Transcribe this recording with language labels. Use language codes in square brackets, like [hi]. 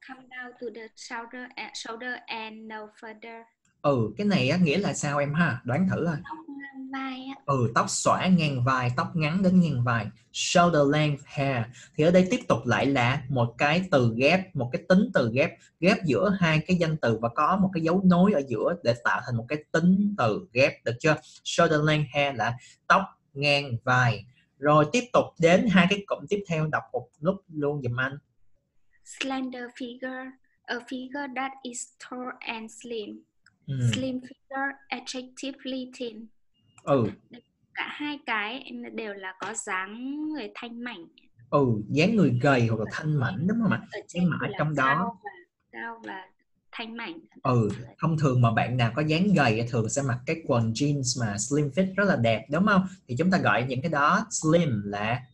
[en] Come down to the shoulder and no further. [vi] Cái này á nghĩa là sao em ha? Đoán thử coi. Tóc ngang vai á. Tóc xõa ngang vai, tóc ngắn đến ngang vai. [en] Shoulder length hair. [vi] Thì ở đây tiếp tục lại là một cái từ ghép, một cái tính từ ghép, ghép giữa hai cái danh từ và có một cái dấu nối ở giữa để tạo thành một cái tính từ ghép, được chưa? [en] Shoulder length hair [vi] là tóc ngang vai. Rồi tiếp tục đến hai cái cụm tiếp theo đọc một lúc luôn giùm anh. [en] Slender figure, a figure that is tall and slim. Slim figure, attractively thin. [vi] Cả hai cái đều là có dáng người thanh mảnh. Dáng người gầy hoặc là thanh mảnh, đúng không ạ? Nhưng mà ở trong đó cao và thanh mảnh. Thông thường mà bạn nào có dáng gầy thường sẽ mặc cái quần jeans mà slim fit rất là đẹp, đúng không? Thì chúng ta gọi những cái đó slim là